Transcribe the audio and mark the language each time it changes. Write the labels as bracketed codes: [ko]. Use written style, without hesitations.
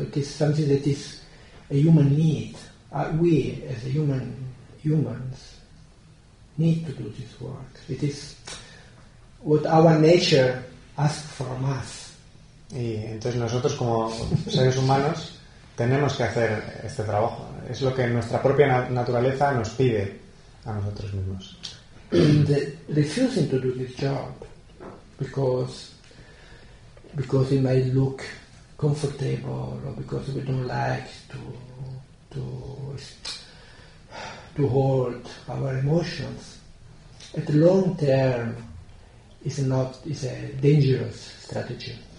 [en] It is something that is a human need. We as humans need to do this work. It is what our nature asks from us. [es] Y entonces nosotros como seres humanos tenemos que hacer este trabajo. Es lo que nuestra propia naturaleza nos pide a nosotros mismos. [en] Refusing to do this job because it might look comfortable or because we don't like to hold our emotions. At the long term, is a dangerous strategy.